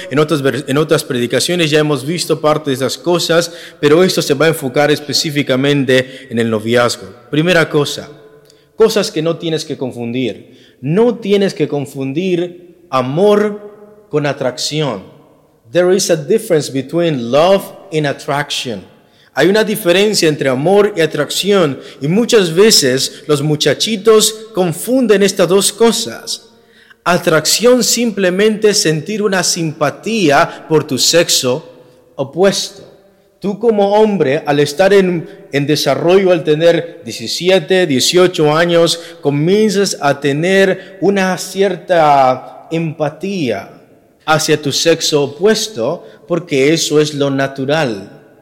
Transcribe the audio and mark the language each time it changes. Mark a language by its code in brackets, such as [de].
[es] En otras predicaciones ya hemos visto parte de esas cosas, pero esto se va a enfocar específicamente en el noviazgo. Primera cosa, cosas que no tienes que confundir. No tienes que confundir amor con atracción. [en] There is a difference between love and attraction. [es] Hay una diferencia entre amor y atracción, y muchas veces los muchachitos confunden estas dos cosas. Atracción simplemente es sentir una simpatía por tu sexo opuesto. Tú como hombre, al estar en desarrollo, al tener 17, 18 años, comienzas a tener una cierta empatía hacia tu sexo opuesto, porque eso es lo natural.